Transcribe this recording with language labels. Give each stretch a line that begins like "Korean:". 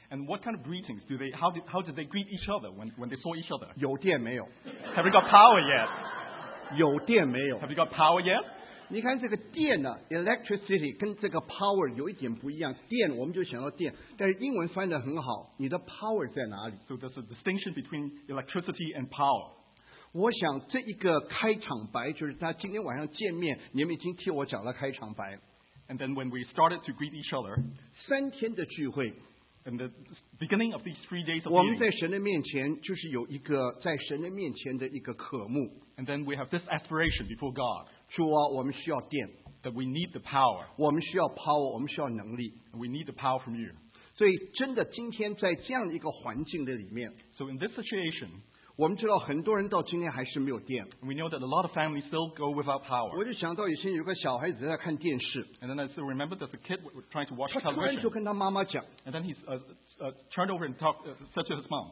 English: And what kind of greetings do they, how did they greet each other when they saw each other?
Chinese: 有电没有?
English: Have you got power yet?
Chinese: 有电没有?
English: Have you got power yet?
Chinese: 你看这个电呢, electricity 跟这个power有一点不一样, 电我们就想到电, 但是英文翻得很好, 你的power在哪里?
English: So there's a distinction between electricity and power.
Chinese: 我想这一个开场白就是他今天晚上见面，你们已经替我讲了开场白。
English: And then when we started to greet each other,
Chinese: 三天的聚会,
English: and the beginning of these 3 days of meeting,
Chinese: 我们在神的面前就是有一个在神的面前的一个渴慕。
English: And then we have this aspiration before God.
Chinese: 主啊, 我们需要电,
English: that we need the power.
Chinese: 我们需要power, 我们需要能力,
English: and we need the power from you.
Chinese: 所以真的今天在这样一个环境的里面,
English: so in this situation,
Chinese: 我们知道很多人到今天还是没有电。
English: We know that a lot of families still go without power.
Chinese: 我就想到以前有个小孩子在看电视。
English: And then I still remember that the kid was trying to watch television.
Chinese: 他突然就跟他妈妈讲。
English: And then he turned over and said to his mom.